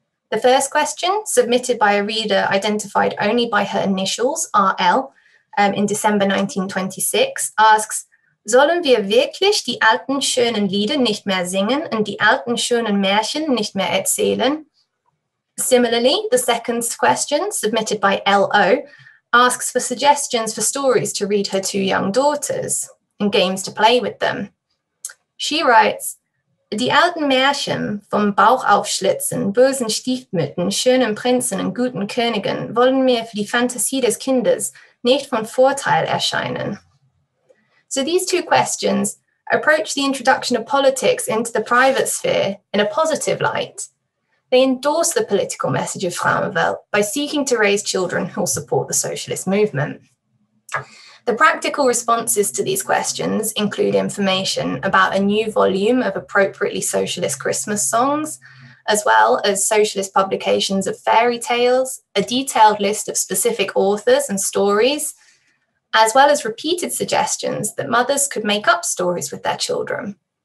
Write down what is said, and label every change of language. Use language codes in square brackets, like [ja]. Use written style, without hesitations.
[en] The first question, submitted by a reader identified only by her initials, RL, in December 1926, asks, [de] "Sollen wir wirklich die alten schönen Lieder nicht mehr singen und die alten schönen Märchen nicht mehr erzählen?" [en] Similarly, the second question, submitted by LO, asks for suggestions for stories to read her two young daughters and games to play with them. She writes, [de] "Die alten Märchen vom Bauch aufschlitzen, bösen Stiefmütten, schönen Prinzen und guten Königen wollen mir für die Fantasie des Kindes nicht von Vorteil erscheinen." [en] So these two questions approach the introduction of politics into the private sphere in a positive light. They endorse the political message of Frauenwelt by seeking to raise children who will support the socialist movement. The practical responses to these questions include information about a new volume of appropriately socialist Christmas songs, as well as socialist publications of fairy tales, a detailed list of specific authors and stories, as well as repeated suggestions that mothers could make up stories with their children.